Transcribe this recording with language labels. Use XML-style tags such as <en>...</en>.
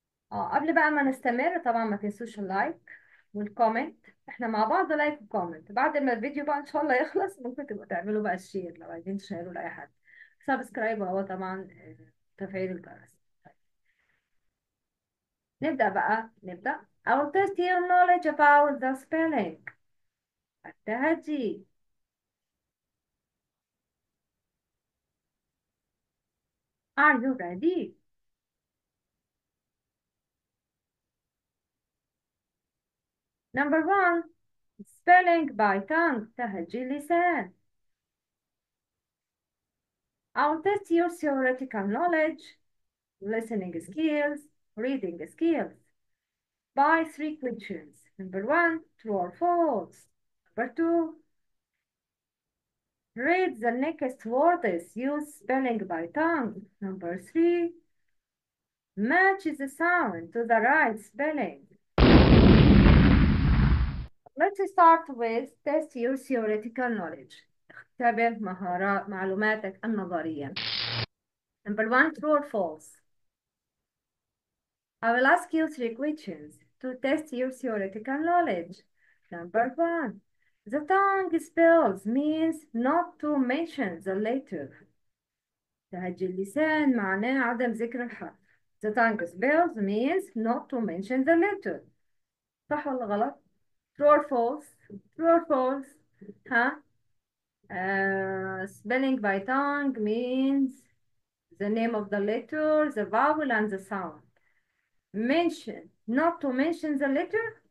<ar>قبل بقى ما نستمر طبعا ما تنسوش اللايك والكومنت، احنا مع بعض لايك وكومنت. بعد ما الفيديو بقى ان شاء الله يخلص ممكن تبقوا تعملوا بقى الشير لو عايزين تشيروا لأي حد. سبسكرايب هو طبعا تفعيل الجرس. نبدأ بقى، نبدأ.</ar> <en>I'll test your knowledge about the spelling.</en> <ar>التهجي.</ar> <en>Are you ready? Number one, spelling by tongue.</en> <ar>تهجي لسان.</ar> <en>I'll test your theoretical knowledge, listening skills, reading skills by 3 questions. Number one, true or false. Number two, read the next words, use spelling by tongue. Number three, match the sound to the right spelling. Let's start with test your theoretical knowledge.</en> <ar>اختبر مهارات معلوماتك النظرية.</ar> <en>Number one, true or false. I will ask you 3 questions to test your theoretical knowledge. Number one, the tongue spells means not to mention the letter.</en> <ar>تهجي اللسان معناه عدم ذكر الحرف.</ar> <en>The tongue spells means not to mention the letter.</en> <ar>صح ولا غلط؟</ar> <en>True or false? True or false? ها؟ spelling by tongue means the name of the letter, the vowel and the sound. Mention, not to mention the letter?</en>